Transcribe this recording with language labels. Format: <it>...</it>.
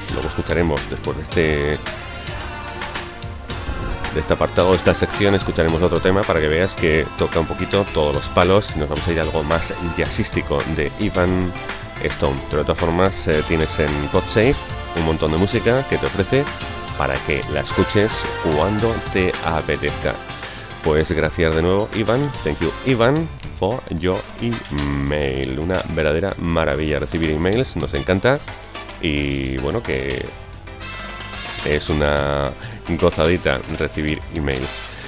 <es>Luego escucharemos, después de este apartado, esta sección, escucharemos otro tema para que veas que toca un poquito todos los palos y nos vamos a ir a algo más jazzístico de Ivan Stone. Pero de todas formas, tienes en PodSafe un montón de música que te ofrece para que la escuches cuando te apetezca. Pues gracias de nuevo, Ivan.</es> <en>Thank you, Ivan, for your email.</en> <es>Una verdadera maravilla recibir emails, nos encanta. Y bueno, que es una gozadita recibir emails.</es>